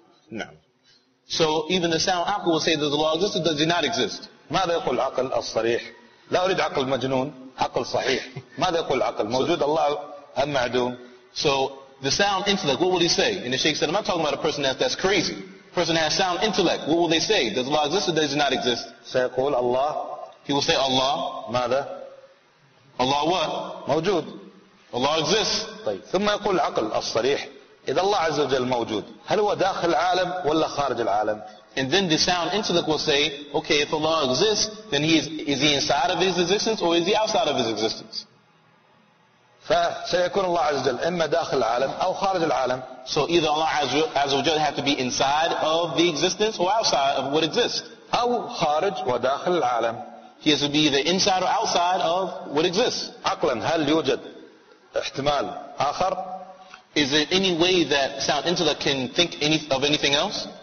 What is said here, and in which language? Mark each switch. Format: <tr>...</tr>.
<ar>نعم.</ar> <en>So even the sound عقل will say that the law exists or does it not exist.</en> <ar>ماذا يقول العقل الصريح؟ لا أريد عقل مجنون، عقل صحيح. ماذا يقول العقل؟ موجود الله أم معدوم؟</ar> <en>So the sound intellect, what will he say? And the Sheikh said, I'm not talking about a person that's crazy. A person that has sound intellect, what will they say? Does Allah exist or does it not exist?</en> <ar>سيقول الله.</ar> <en>He will say Allah.</en> <ar>ماذا؟</ar> <en>Allah what?</en> <ar>موجود.</ar> <en>Allah exists.</en> <ar>طيب. ثم يقول العقل الصريح إذا الله عز وجل موجود، هل هو داخل العالم ولا خارج العالم؟</ar> <en>And then the sound intellect will say, okay, if Allah exists, then is he inside of his existence or is he outside of his existence?</en> <ar>فسيكون الله عز وجل إما داخل العالم أو خارج العالم.</ar> <en>So either Allah</en> <ar>عز وجل</ar> <en>have to be inside of the existence or outside of what exists.</en> <ar>أو خارج وداخل العالم.</ar> <en>He has to be either inside or outside of what exists.</en> <ar>عقلا هل يوجد احتمال آخر؟</ar> <en>Is there any way that sound intellect can think of anything else?</en>